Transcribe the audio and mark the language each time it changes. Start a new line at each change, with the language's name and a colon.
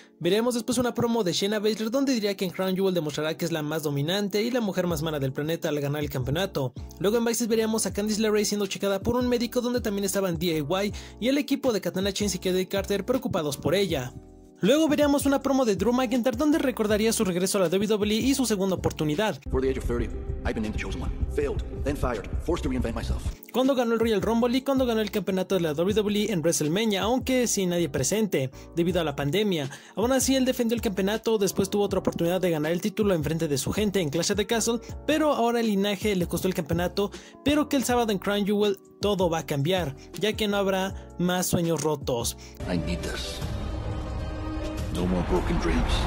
Spanish: Veremos después una promo de Shayna Baszler donde diría que en Crown Jewel demostrará que es la más dominante y la mujer más mala del planeta al ganar el campeonato. Luego en Backstage veríamos a Candice LeRae siendo checada por un médico donde también estaban DIY y el equipo de Katana Chance y Kayden Carter preocupados por ella. Luego veríamos una promo de Drew McIntyre donde recordaría su regreso a la WWE y su segunda oportunidad.
English: For the age of 30, I've been named the chosen one. Failed, then fired, forced to reinvent myself.
Spanish: Cuando ganó el Royal Rumble y cuando ganó el campeonato de la WWE en WrestleMania, aunque sin nadie presente, debido a la pandemia. Aún así, él defendió el campeonato, después tuvo otra oportunidad de ganar el título enfrente de su gente en Clash at the Castle, pero ahora el linaje le costó el campeonato, pero que el sábado en Crown Jewel todo va a cambiar, ya que no habrá más sueños rotos. I need this. No more broken dreams.